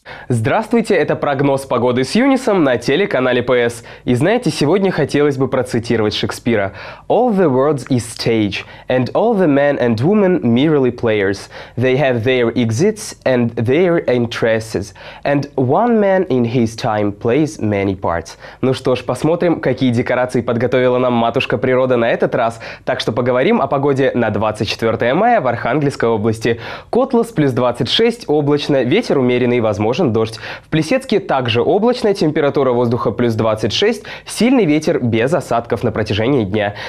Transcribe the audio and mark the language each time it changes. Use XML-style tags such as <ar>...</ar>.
<ru>Здравствуйте, это прогноз погоды с Юнисом на телеканале ПС. И знаете, сегодня хотелось бы процитировать Шекспира.</ru> <en>All the world is stage, and all the men and women merely players. They have their exits and their interests, and one man in his time plays many parts.</en> <ru>Ну что ж, посмотрим, какие декорации подготовила нам матушка природа на этот раз. Так что поговорим о погоде на 24 мая в Архангельской области. Котлас плюс 26, облачно, ветер умеренный, возможен дождь. В Плесецке также облачная, температура воздуха плюс 26, сильный ветер без осадков на протяжении дня.</ru>